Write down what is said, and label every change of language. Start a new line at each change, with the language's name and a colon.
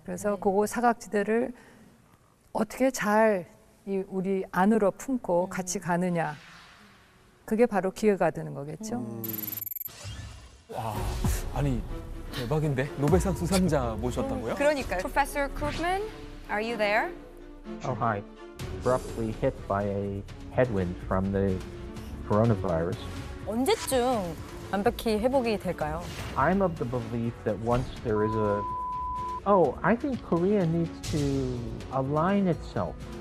Korean: 그래서 그 사각지대를 어떻게 잘 이 우리 안으로 품고 같이 가느냐. 그게 바로 기회가 되는 거겠죠. 와, 아니 대박인데? 노벨상 수상자 모셨다고요? 그러니까요.
English: Professor Krugman, are you there? Oh, hi. Abruptly hit by a headwind from the coronavirus.
Korean: 언제쯤 완벽히 회복이 될까요?
English: I'm of the belief that once there is a... Oh, I think Korea needs to align itself.